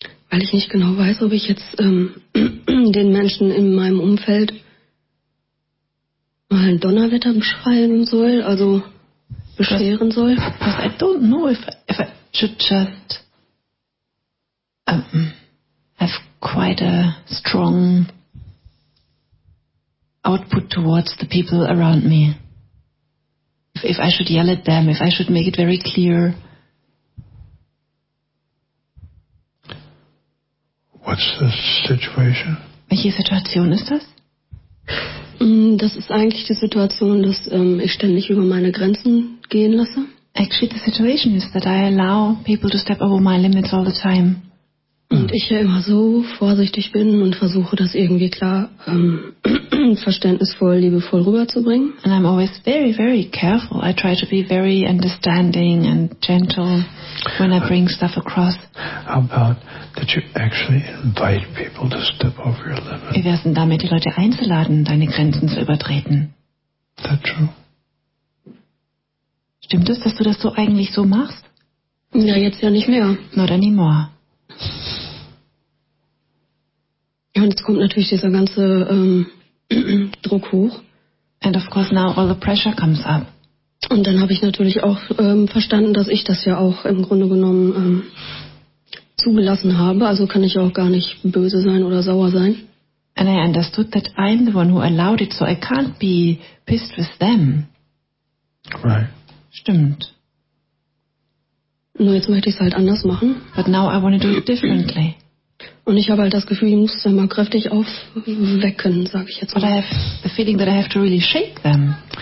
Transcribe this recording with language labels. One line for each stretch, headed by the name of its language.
German: Weil ich nicht genau weiß, ob ich jetzt den Menschen in meinem Umfeld mal ein Donnerwetter beschreiben soll, also bescheren soll.
English: Because I don't know if I should just have quite a strong output towards the people around me. If I should yell at them, if I should make it very clear. What's the situation?
German: Welche Situation ist das? Das ist eigentlich die Situation, dass ich ständig über meine Grenzen gehen lasse.
English: Actually, the situation is that I allow people to step over my limits all the time.
German: Und ich ja immer so vorsichtig bin und versuche das irgendwie klar, verständnisvoll, liebevoll rüberzubringen.
English: And I'm always very, very careful. I try to be very understanding and gentle when I bring stuff across. How about that you actually invite people to step over your limit?
German: Wie wär's denn damit, die Leute einzuladen, deine Grenzen zu übertreten?
English: Is that true?
German: Stimmt es, dass du das so eigentlich so machst? Ja, jetzt ja nicht mehr.
English: Not anymore.
German: Ja, und jetzt kommt natürlich dieser ganze Druck hoch.
English: And of course now all the pressure comes up.
German: Und dann habe ich natürlich auch verstanden, dass ich das ja auch im Grunde genommen zugelassen habe. Also kann ich auch gar nicht böse sein oder sauer sein.
English: And I understood that I'm the one who allowed it, so I can't be pissed with them. Right.
German: Stimmt. Nur jetzt möchte ich es halt anders machen.
English: But now I want to do it differently.
German: Und ich habe halt das Gefühl, ich muss da mal kräftig aufwecken, sage ich jetzt mal.
English: But I have the feeling that I have to really shake them.